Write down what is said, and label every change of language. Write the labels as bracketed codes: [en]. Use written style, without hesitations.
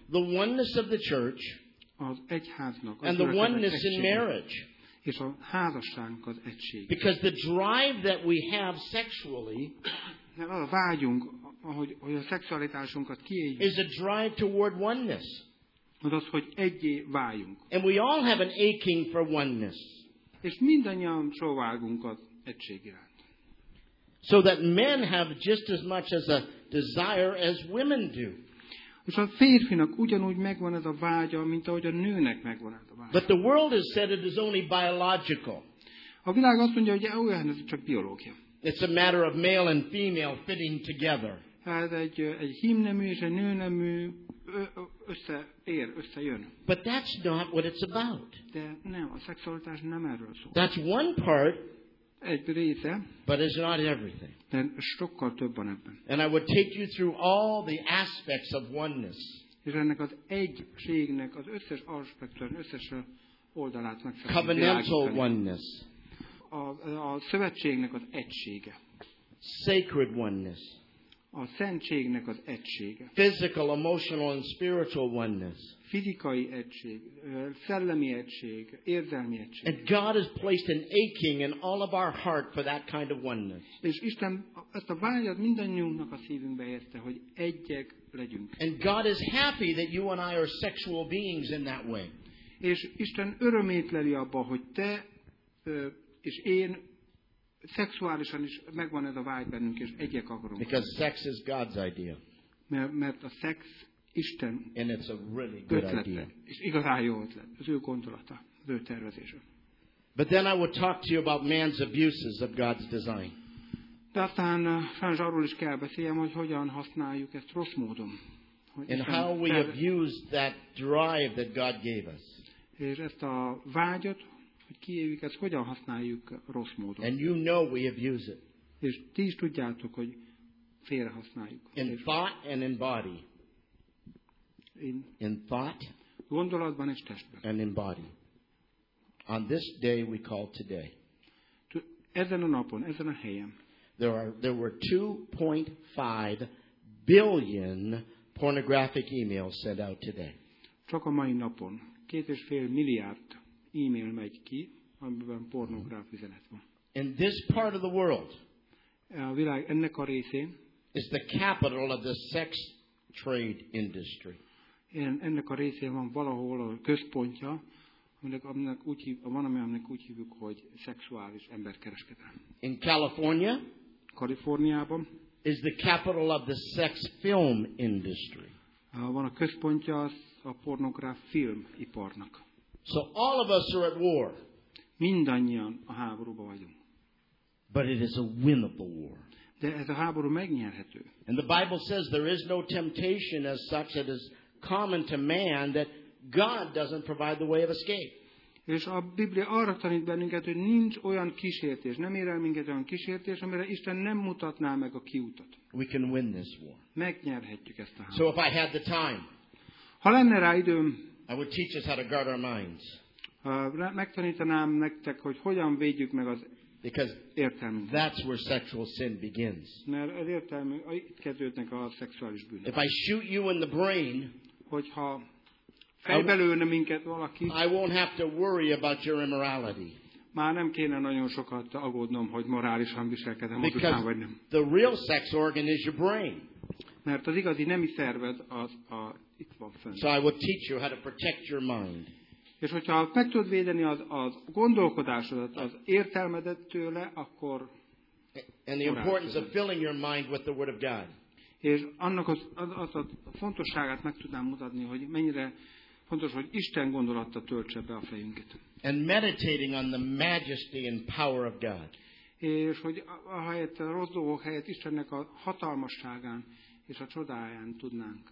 [en] The oneness of the church. [hu] Az egyháznak. [en] And the oneness in marriage. [hu] És a házasságnak az egysége. [en] Because the drive that we have sexually. [hu] Mert az a vágyunk, hogy a szexualitásunkat kiéljük. [en] Is a drive toward oneness. [hu] Az, hogy egyé váljunk. [en] And we all have an aching for oneness. [hu] És mindannyian sóvágunk az egység iránt. [en] So that men have just as much as a desire as women do. [hu] És a férfinak ugyanúgy megvan ez a vágya, mint ahogy a nőnek megvan ez a vágya. [en] But the world has said it is only biological. [hu] A világ azt mondja, hogy olyan, ez csak biológia. [en] It's a matter of male and female fitting together. [hu] Hát egy hímnemű és egy nőnemű összeér, összejön. [en] But that's not what it's about. [hu] De nem, a szexualitás nem erről szól. [en] That's one part, [hu] egy része, [en] but it's not everything. [hu] De sokkal több van ebben. [en] And I would take you through all the aspects of oneness. [hu] És ennek az egységnek az összes aspektusát, összes oldalát meg fogjuk. [en] Covenantal oneness. [hu] A szövetségnek az egysége. [en] Sacred oneness. [hu] A szentségnek az egysége. [en] Physical, emotional and spiritual oneness. [hu] Fizikai egység, szellemi egység, érzelmi egység. [en] And God has placed an aching in all of our heart for that kind of oneness. [hu] És Isten ezt a vágyat mindannyiunknak a szívünkbe érte, hogy egyek legyünk. [en] And God is happy that you and I are sexual beings in that way. [hu] És Isten örömét leli abba, hogy te és én szexuálisan is megvan ez a vágy bennünk, és egyek akarunk. [en] Because sex is God's idea. [hu] Mert a szex Isten [en] and it's a really good [hu] ötlete. [en] Idea. [hu] És igazán jó ötlet. Az ő gondolata. Az ő tervezése. [en] But then I would talk to you about man's abuses of God's design. [hu] De aztán sajnos arról is kell beszéljem, hogy hogyan használjuk ezt rossz módon. [en] And how we abuse that drive that God gave us. [hu] És ezt a vágyat, hogy kiéljük, ezt hogyan használjuk rossz módon. [en] And you know we abuse it. [hu] És ti is tudjátok, hogy félre használjuk. [en] In thought and in body. In thought. [hu] Gondolatban és testben. [en] And in body. On this day we call today. [hu] Ezen a napon, ezen a helyen. [en] There were 2.5 billion pornographic emails sent out today. [hu] Csak a mai napon 2.5 milliárd e-mail megy ki, amiben pornográf üzenet van. [en] In this part of the world, [hu] a világ ennek a részén, [en] is the capital of the sex trade industry. [hu] Ennek a részén van valahol a központja, aminek úgy hívjuk, hogy szexuális emberkereskedelem. [en] In California, [hu] Kaliforniában, [en] is the capital of the sex film industry. [hu] Van a központja a pornográf filmiparnak. [en] So all of us are at war. [hu] Mindannyian a háborúban vagyunk. [en] But it is a winnable war. [hu] De ez a háború megnyerhető. [en] And the Bible says there is no temptation as such that is common to man that God doesn't provide the way of escape. [hu] És a Biblia arra tanít bennünket, hogy nincs olyan kísértés, nem ér el minket olyan kísértés, amire Isten nem mutatná meg a kiutat. [en] We can win this war. [hu] Megnyerhetjük ezt a háborút. [en] So if I had the time, [hu] ha lenne rá időm, [en] I would teach us how to guard our minds. [hu] Megtanítanám nektek, hogy hogyan védjük meg az értelmünket. [en] That's where sexual sin begins. [hu] Mert az értelmünk, itt kezdődnek a szexuális bűnök. [en] If I shoot you in the brain, [hu] hogyha fejbelőne minket valaki, [en] I won't have to worry about your immorality. [hu] Már nem kéne nagyon sokat aggódnom, hogy morálisan viselkedem, [en] because [hu] vagy nem. [en] The real sex organ is your brain. [hu] Mert az igazi nemi szerved az itt van fönn. [en] So I will teach you how to protect your mind. [hu] És hogyha meg tudod védeni az gondolkodásodat, az értelmedet tőle, akkor [en] and the importance of filling your mind with the word of God. [hu] És annak az a fontosságát meg tudnám mutatni, hogy mennyire fontos, hogy Isten gondolata töltse be a fejünket. [en] And meditating on the majesty and power of God. [hu] És hogy ahelyett, a rossz dolgok helyett Istennek a hatalmasságán és a csodáján tudnánk